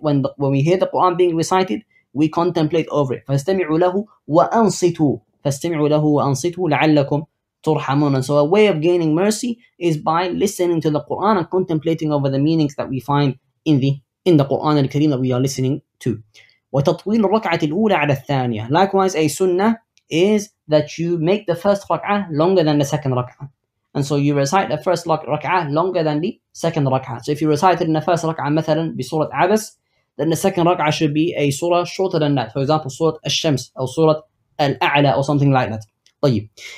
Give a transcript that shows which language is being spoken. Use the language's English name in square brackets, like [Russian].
[English] When we hear the Qur'an being recited, we contemplate over it. [Arabic] فَاسْتَمِعُوا لَهُ وَأَنصِتُوا. فَاسْتَمِعُوا لَهُ وَأَنصِتُوا لَعَلَّكُمْ. [English] And so a way of gaining mercy is by listening to the Quran and contemplating over the meanings that we find in the Quran al-Kareem that we are listening to. [Arabic] وتطويل الركعة الأولى على الثانية. [English] Likewise, a sunnah is that you make the first rak'ah longer than the second rak'ah. And so you recite the first rak'ah longer than the second rak'ah. So if you recite it in the first rak'ah, [Arabic] مثلاً بسورة عبس, [English] then the second rak'ah should be a surah shorter than that. For example, surah al-Shams or surah al-A'la or something like that. طيب.